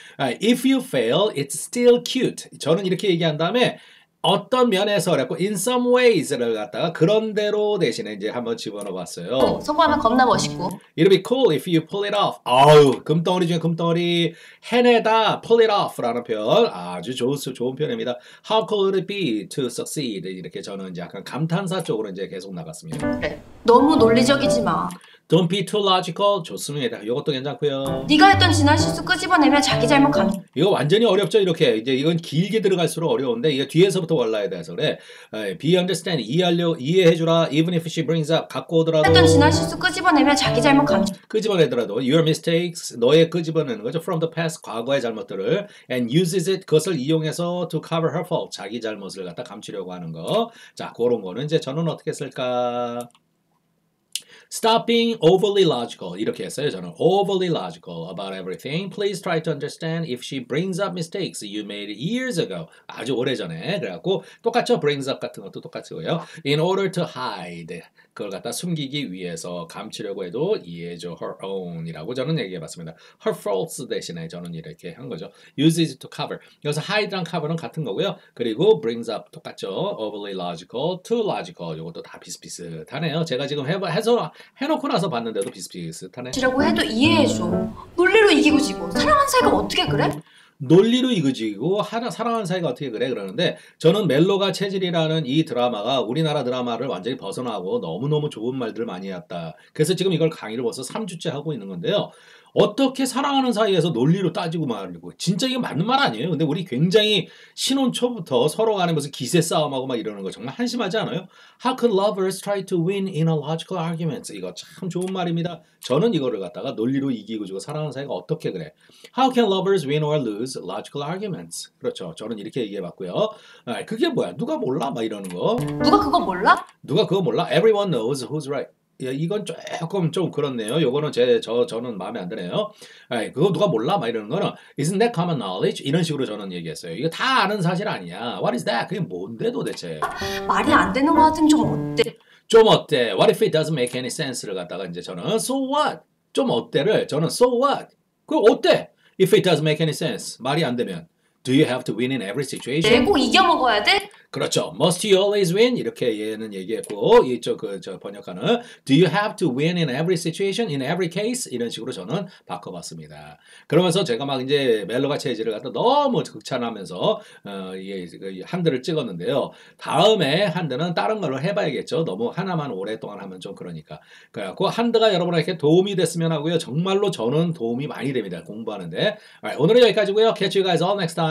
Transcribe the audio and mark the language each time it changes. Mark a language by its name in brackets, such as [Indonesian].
[English] If you fail, it's still cute. [Korean] 저는 이렇게 얘기한 다음에 어떤 면에서 그랬고 [English] in some ways [Korean] 를 갖다가 그런대로 대신에 이제 한번 집어넣어봤어요. 성공하면 겁나 멋있고. [English] It'll be cool if you pull it off. [Korean] 아유, 금덩어리 중에 금덩어리 해내다 [English] pull it off [Korean] 라는 표현 아주 좋은 표현입니다. [English] How cool would it be to succeed? [Korean] 이렇게 저는 이제 약간 감탄사 쪽으로 이제 계속 나갔습니다. 그래. 너무 논리적이지 마. [English] Don't be too logical. [Korean] 좋습니다. 이것도 괜찮고요. 네가 했던 지난 실수 끄집어내면 자기 잘못 감. 이거 완전히 어렵죠, 이렇게. 이제 이건 길게 들어갈수록 어려운데, 이게 뒤에서부터 올라야 돼서 그래. [English] Be understand. [Korean] 이해해주라. [English] Even if she brings up. [Korean] 갖고 했던 지난 오더라도. 실수 끄집어내면 자기 잘못 감. 끄집어내더라도. [English] Your mistakes. [Korean] 너의 끄집어내는 거죠. [English] From the past. [Korean] 과거의 잘못들을. [English] And uses it. [Korean] 그것을 이용해서 [English] to cover her fault. [Korean] 자기 잘못을 갖다 감추려고 하는 거. 자, 그런 거는 이제 저는 어떻게 쓸까? [English] Stop being overly logical. [Korean] 이렇게 했어요. 저는 [English] overly logical about everything. Please try to understand if she brings up mistakes you made years ago. [Korean] 아주 오래전에. 그래갖고 똑같죠. Brings up 같은 것도 똑같고요. [English] In order to hide. [Korean] 그걸 갖다 숨기기 위해서 감추려고 해도 이해해줘 [English] her own [Korean] 이라고 저는 얘기해봤습니다. [English] Her faults [Korean] 대신에 저는 이렇게 한 거죠. [English] Uses to cover. [Korean] 여기서 hide랑 cover는 같은 거고요. 그리고 brings up 똑같죠. [English] Overly logical, too logical. [Korean] 이것도 다 비슷비슷하네요. 제가 지금 해놓고 나서 봤는데도 비슷비슷하네. 라고 해도 이해해줘. 논리로 이기고 지고. 사랑하는 사이가 어떻게 그래? 논리로 이그지고 사랑하는 사이가 어떻게 그래? 그러는데 저는 멜로가 체질이라는 이 드라마가 우리나라 드라마를 완전히 벗어나고 너무너무 좋은 말들을 많이 했다. 그래서 지금 이걸 강의를 벌써 3주째 하고 있는 건데요. 어떻게 사랑하는 사이에서 논리로 따지고 말고, 진짜 이게 맞는 말 아니에요. 근데 우리 굉장히 신혼 초부터 서로 간에 무슨 기세 싸움하고 막 이러는 거 정말 한심하지 않아요? [English] How could lovers try to win in a logical argument? [Korean] 이거 참 좋은 말입니다. 저는 이거를 갖다가 논리로 이기고 지고 사랑하는 사이가 어떻게 그래? [English] How can lovers win or lose logical arguments? [Korean] 그렇죠. 저는 이렇게 얘기해봤고요. 아, 그게 뭐야? 누가 몰라? 막 이러는 거. 누가 그거 몰라? 누가 그거 몰라? [English] Everyone knows who's right. [Korean] 예, 이건 조금 좀 그렇네요. 요거는 저는 마음에 안 드네요. 에이, 그거 누가 몰라? 막 이러는 거는 [English] Isn't that common knowledge? [Korean] 이런 식으로 저는 얘기했어요. 이거 다 아는 사실 아니야. [English] What is that? [Korean] 그게 뭔데 도대체? 말이 안 되는 것 같은 좀 어때? 좀 어때? [English] What if it doesn't make any sense?를 [Korean] 갖다가 이제 저는 [English] So what? [Korean] 좀 어때를 저는 [English] So what? [Korean] 그 어때? [English] If it doesn't make any sense. [Korean] 말이 안 되면 [English] Do you have to win in every situation? [Korean] 네, 꼭 이겨먹어야 돼? 그렇죠. [English] Must you always win? [Korean] 이렇게 얘는 얘기했고 이쪽 저 번역가는 [English] Do you have to win in every situation? In every case? [Korean] 이런 식으로 저는 바꿔봤습니다. 그러면서 제가 막 이제 멜로가 체질을 갖다 너무 극찬하면서 한들을 찍었는데요. 다음에 한들은 다른 걸로 해봐야겠죠. 너무 하나만 오랫동안 하면 좀 그러니까. 그래갖고 한들가 여러분에게 도움이 됐으면 하고요. 정말로 저는 도움이 많이 됩니다. 공부하는데. [English] Alright, [Korean] 오늘은 여기까지고요. [English] Catch you guys all next time.